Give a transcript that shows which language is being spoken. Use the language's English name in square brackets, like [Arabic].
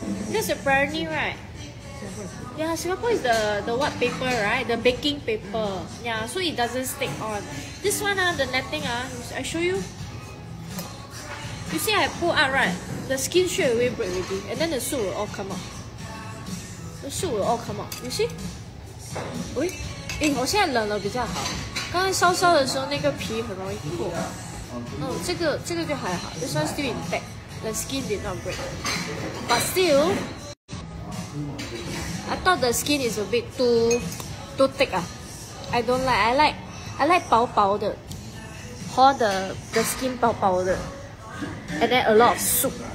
[English] This apparently, right? Yeah, Singapore is the what paper, right? The baking paper. Yeah, so it doesn't stick on. This one, the netting, I show you. You see, I pull out, right? The skin straight away break already, and then the soup will all come out. The soup will all come out. You see? Wait. [Chinese] Hey, 我现在冷了比较好。刚才烧烧的时候，那个皮很容易破。这个就还好. [English] This one still intact. The skin did not break. But still. I thought the skin is a bit too thick. I don't like. I like [Chinese] 薄薄的. [English] All the skin 薄薄的.And then a lot of soup.